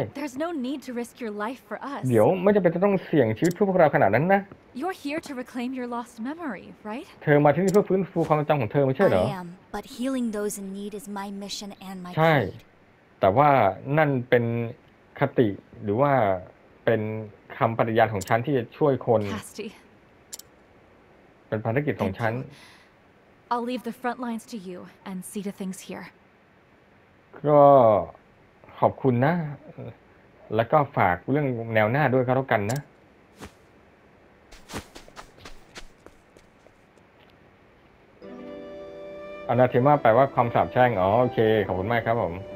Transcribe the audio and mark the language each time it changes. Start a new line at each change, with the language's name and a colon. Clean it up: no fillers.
English: Wait, there's no need to risk your life for us.
Thai: เดี๋ยวไม่จำเป็นจะต้องเสี่ยงชีวิตพวกเราขนาดนั้นนะ
English: You're here to reclaim your lost memory, right?
Thai: เธอมาที่นี่เพื่อฟื้นฟูความจำของเธอไม่ใช่เหรอ
English: I am, but healing those in need is my mission and my duty.
Thai: ใช่แต่ว่านั่นเป็นคติหรือว่าเป็นคำปฏิญาณของฉันที่จะช่วยคน
English: Casty.
Thai: เป็นภารกิจของฉัน
English: I'll leave the front lines to you and see to things here.
Thai: ก็ขอบคุณนะแล้วก็ฝากเรื่องแนวหน้าด้วยก็แล้วกันนะอนาเทมาแปลว่าความสาปแช่งอ๋อโอเคขอบคุณมากครับผม